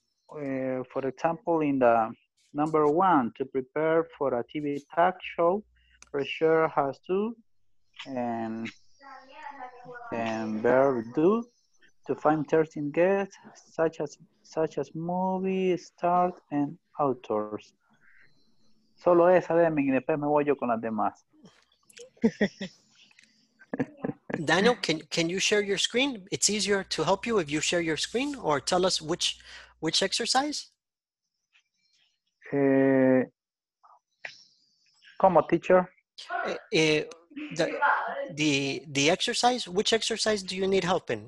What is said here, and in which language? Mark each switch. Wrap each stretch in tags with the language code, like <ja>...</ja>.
<en>For example, in the number one, to prepare for a TV talk show, pressure has to, and verb do, to find 13 guests such as movie stars and authors.</en> <es>Solo esa de mí y después me voy yo con las demás.</es> <en>Daniel, can you share your screen? It's easier to help you if you share your screen or tell us which exercise.</en> <es>Como teacher.</es> <en>The exercise. Which exercise do you need help in?</en>